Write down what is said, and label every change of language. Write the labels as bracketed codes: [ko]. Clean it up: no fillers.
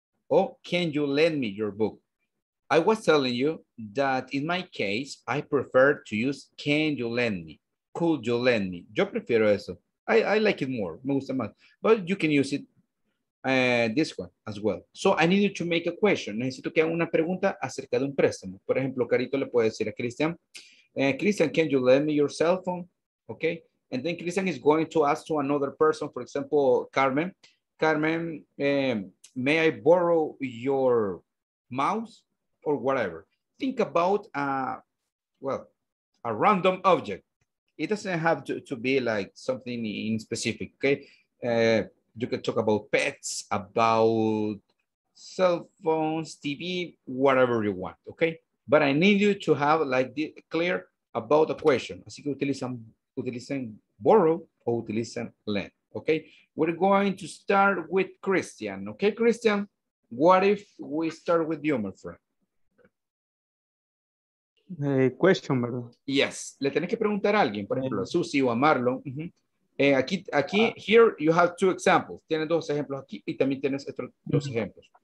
[en] Or can you lend me your book? I was telling you that in my case, I prefer to use can you lend me? Could you lend me? [es] Yo prefiero eso. [en] I like it more. [es] Me gusta más. [en] But you can use it this one as well. So I need you to make a question. [es] Necesito que haga una pregunta acerca de un préstamo. Por ejemplo, Carito le puede decir a Cristian, Cristian, [en] can you lend me your cell phone? [es] Okay. [en] And then Cristian is going to ask to another person, for example, Carmen. Carmen, may I borrow your mouse or whatever? Think about, a random object. It doesn't have to be like something in specific, okay? You can talk about pets, about cell phones, TV, whatever you want, okay? But I need you to have like the clear about a question. [es] Así que utilicen borrow or utilizan lend. [en] Okay, we're going to start with Christian. Okay, Christian, what if we start with you, my friend? [es] Question, ¿verdad? [en] Yes. [es] Le tenés que preguntar a alguien, por ejemplo, a Susi o a Marlon. Uh-huh. Aquí, [en] here you have two examples. [es] Tienes dos ejemplos aquí y también tienes estos dos ejemplos.